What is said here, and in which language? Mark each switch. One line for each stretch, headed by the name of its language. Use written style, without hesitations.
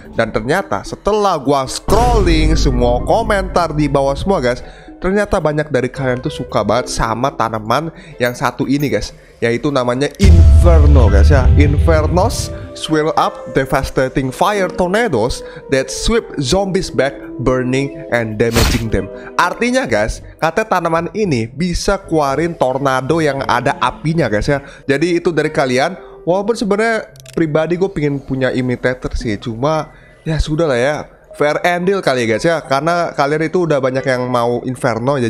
Indonesian: Dan ternyata setelah gua scrolling semua komentar di bawah semua guys, ternyata banyak dari kalian tuh suka banget sama tanaman yang satu ini guys, yaitu namanya Inferno guys ya.
English: Infernos swirl up devastating fire tornadoes that sweep zombies back, burning and damaging them.
Indonesian: Artinya guys, kata tanaman ini bisa keluarin tornado yang ada apinya guys ya. Jadi itu dari kalian, walaupun sebenarnya pribadi gue pingin punya imitator sih, cuma ya sudah lah ya,
English: fair and deal
Indonesian: kali ya guys ya, karena kalian itu udah banyak yang mau Inferno ya.